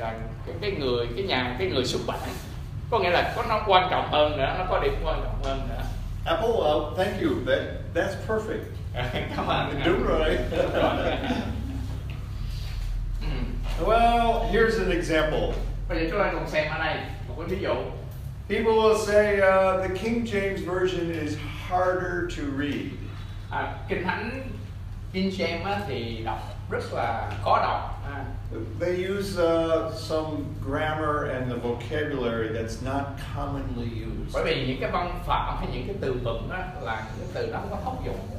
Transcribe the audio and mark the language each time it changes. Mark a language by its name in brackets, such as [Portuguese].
[Vietnamese] Hơn vấn đề là vấn đề là cái người xuất bản. Có nghĩa là nó quan trọng hơn nữa, nó có điểm quan trọng hơn nữa. [English] Apple, thank you. That's perfect. Come on. [Vietnamese] Đúng rồi. [English] Well, here's an example. [Vietnamese] Bây giờ chúng ta cùng xem ở đây một ví dụ. [English] People will say the King James version is harder to read. [Vietnamese] Kinh Thánh King James á thì đọc rất là khó đọc. [English] They use some grammar and the vocabulary that's not commonly used. [Vietnamese] Bởi vì những cái văn phạm hay những cái từ vựng á là những từ nó không có thông dụng.